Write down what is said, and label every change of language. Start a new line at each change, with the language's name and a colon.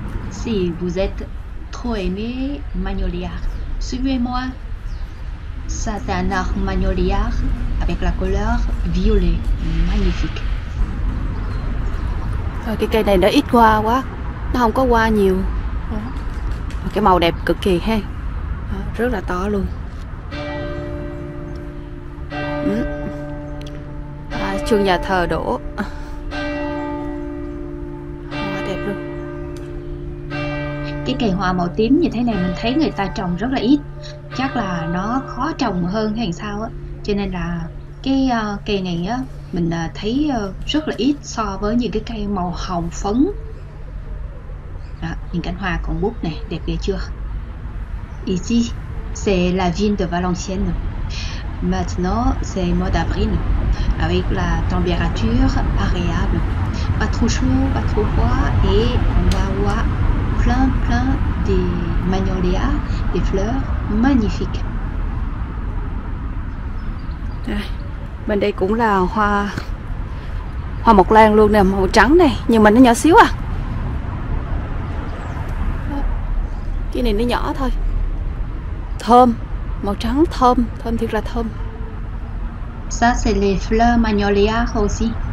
French: Si vous êtes trop aimé magnolia, suivez-moi. C'est un arbre magnolia avec la couleur violet, magnifique.
Vietnamese: Rồi, cái cây này nó ít hoa quá, nó không có hoa nhiều. Cái màu đẹp cực kỳ ha, rất là to luôn. Chuông nhà thờ đổ. Cái cây hoa màu tím như thế này mình thấy người ta trồng rất là ít, chắc là nó khó trồng hơn hay sao á, cho nên là cái cây này á mình thấy rất là ít so với những cái cây màu hồng phấn. Đó, những cánh hoa còn bút này đẹp ghê chưa.
French: Ici c'est la ville de Valenciennes. Maintenant c'est mois d'avril avec la température agréable, pas trop chaud, pas trop froid, et on va voir plein de magnolias, des fleurs magnifiques.
Vietnamese: Bên đây cũng là hoa hoa mộc lan luôn nè, màu trắng này nhưng mà nó nhỏ xíu à. Cái này nó nhỏ thôi. Thơm, màu trắng thơm, thơm thiệt là thơm.
French: Ça c'est les fleurs magnolia aussi.